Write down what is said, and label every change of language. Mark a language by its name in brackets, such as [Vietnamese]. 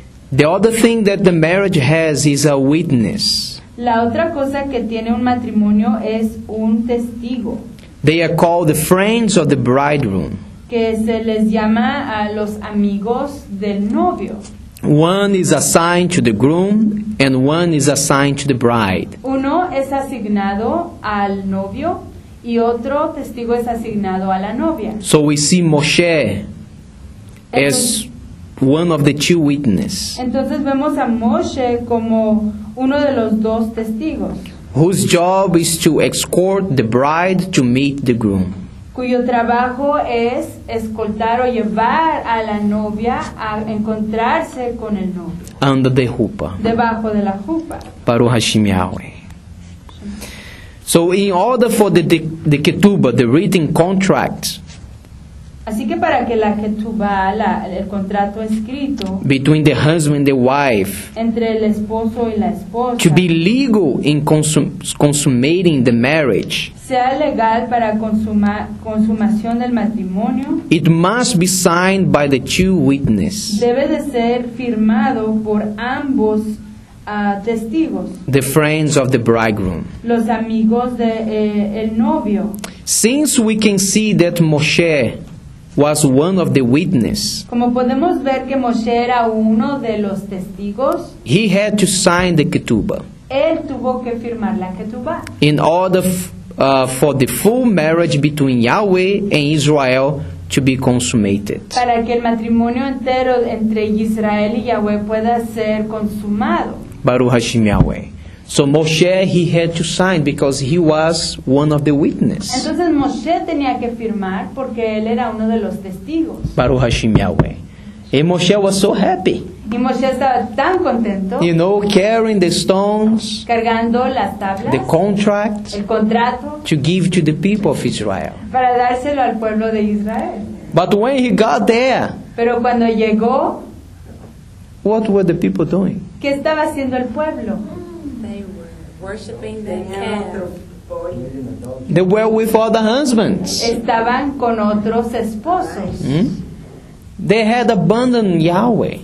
[English] The other thing that the marriage has is a witness. [Spanish] La otra cosa que tiene un matrimonio es un testigo. [English] They are called the friends of the bridegroom. [Spanish] Que se les llama a los amigos del novio. [English] One is assigned to the groom and one is assigned to the bride. [Spanish] Uno es asignado al novio y otro testigo es asignado a la novia. [English] So we see Moshe as one of the two witnesses. [Spanish] Entonces vemos a Moshe como uno de los dos testigos. [English] Whose job is to escort the bride to meet the groom. [Spanish] Cuyo trabajo es escoltar o llevar a la novia a encontrarse con el novio. [English] Under the jupa. [Spanish] Debajo de la jupa. [Hebrew] Baruch Hashem Yahweh. [English] So in order for the ketubah, the written contract. [Spanish] Así que para que la ketubah, el contrato escrito. [English] Between the husband and the wife. [Spanish] Entre el esposo y la esposa. [English] To be legal in consummating the marriage. [Spanish] Sea legal para consumación del matrimonio. [English] It must be signed by the two witnesses. [Spanish] Debe de ser firmado por ambos testigos. [English] The friends of the bridegroom. [Spanish] Los amigos de el novio. [English] Since we can see that Moshe was one of the witnesses. [Spanish] Como podemos ver que Moshe era uno de los testigos. [English] He had to sign the ketubah. [Spanish] Él tuvo que firmar la ketubah. [English] In order for the full marriage between Yahweh and Israel to be consummated. [Spanish] Para que el matrimonio entero entre Israel y Yahweh pueda ser consumado. [Hebrew] Baruch Hashem Yahweh. [English] So Moshe, he had to sign because he was one of the witnesses. [Spanish] Entonces Moshe tenía que firmar porque él era uno de los testigos. [Hebrew] Baruch Hashem Yahweh. [English] And Moshe was so happy. [Spanish] Y Moshe estaba tan contento. [English] You know, carrying the stones. [Spanish] Cargando las tablas. [English] The contract. [Spanish] El contrato. [English] To give to the people of Israel. [Spanish] Para dárselo al pueblo de Israel. [English] But when he got there. [Spanish] Pero cuando llegó. [English] What were the people doing? [Spanish] ¿Qué estaba haciendo el pueblo? [English] Worshipping the calf. They were with other husbands. [Spanish] Estaban con otros esposos. [English] They had abandoned Yahweh.